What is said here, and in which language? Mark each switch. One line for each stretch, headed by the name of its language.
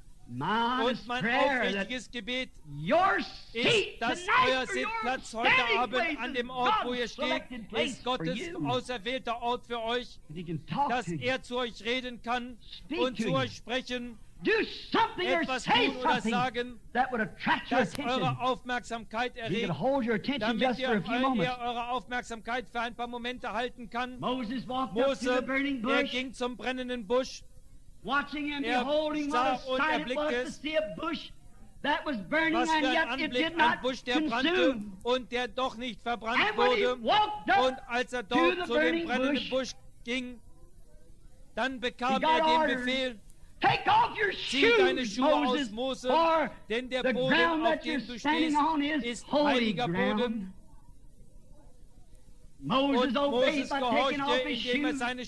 German: Und mein aufrichtiges Gebet ist, dass euer Sitzplatz heute Abend an dem Ort, wo ihr steht, ist Gottes auserwählter Ort für euch, dass er zu euch reden kann und zu euch sprechen, etwas tun oder sagen, dass eure Aufmerksamkeit erregt, damit ihr eure Aufmerksamkeit für ein paar Momente halten kann. Mose, er ging zum brennenden Busch.
English: Watching and beholding what a sight it was to see a bush that was burning and yet it did not consume.
German: Und der doch nicht verbrannt wurde. Und als er dort zu dem brennenden Busch ging, dann bekam er den Befehl:
English: Take off your shoes, Moses, for the ground that you're standing on is holy ground. Moses obeyed by taking off his shoes.